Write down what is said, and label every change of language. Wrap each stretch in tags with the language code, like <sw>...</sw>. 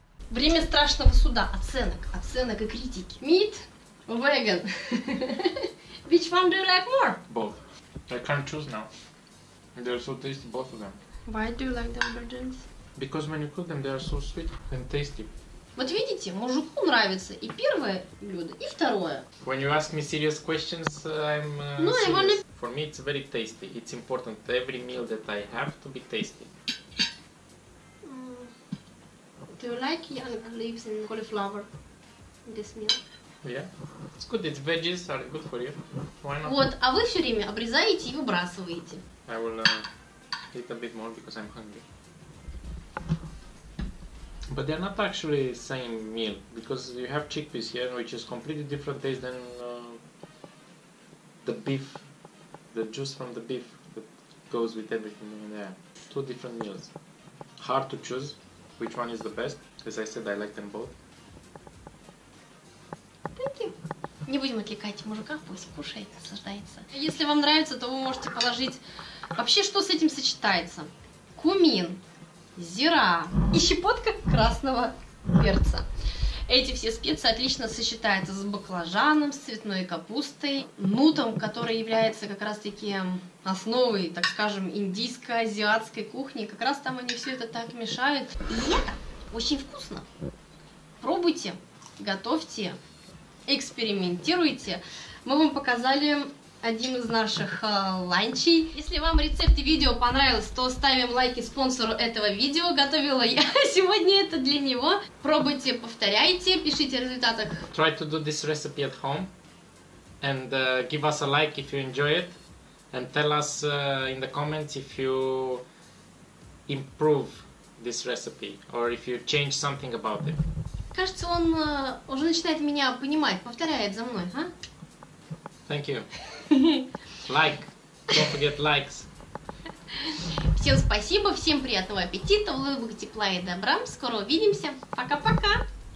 <ru>Время страшного суда. Оценок. Оценок и критики.</ru> <en>Meat or vegan? Which one do you like more? Both. I can't choose now. They're so tasty, both of them. Why do you like the aubergines? Because when you cook them, they are so sweet and tasty.</en> <ru>Вот видите, мужику нравится и первое блюдо, и второе.</ru> <en>When you ask me serious questions, I'm serious. For me it's very tasty. It's important every meal that I have to be tasty. Do you like young leaves and cauliflower in this meal? Yeah, it's good. It's veggies are good for you. Why not?</en> <ru>Вот, а вы все время обрезаете и выбрасываете.</ru> <en>I will eat a bit more because I'm hungry. But they're not actually the same meal, because you have chickpeas here, which is completely different taste than the beef, the juice from the beef that goes with everything in there. Two different meals. Hard to choose which one is the best, as I said, I like them both. Thank you.</en> <ru>Не будем отвлекать мужика, пусть кушает, наслаждается. Если вам нравится, то вы можете положить... Вообще, что с этим сочетается? Кумин. Зира и щепотка красного перца. Эти все специи отлично сочетаются с баклажаном, с цветной капустой, нутом, который является как раз-таки основой, так скажем, индийско-азиатской кухни. Как раз там они все это так мешают. И это очень вкусно. Пробуйте, готовьте, экспериментируйте. Мы вам показали один из наших ланчей. Если вам рецепт и видео понравилось, то ставим лайки спонсору этого видео. Готовила я сегодня это для него. Пробуйте, повторяйте, пишите результаты.</ru> <en>Try to do this recipe at home and give us a like if you enjoy it and tell us in the comments if you improve this recipe or if you change something about it.</en> <ru>Кажется, он уже начинает меня понимать, повторяет за мной, а?</ru> <en>Thank you. Like. Don't forget likes.</en> <ru>Всем спасибо, всем приятного аппетита, улыбок, тепла и добра. Скоро увидимся. Пока-пока.</ru>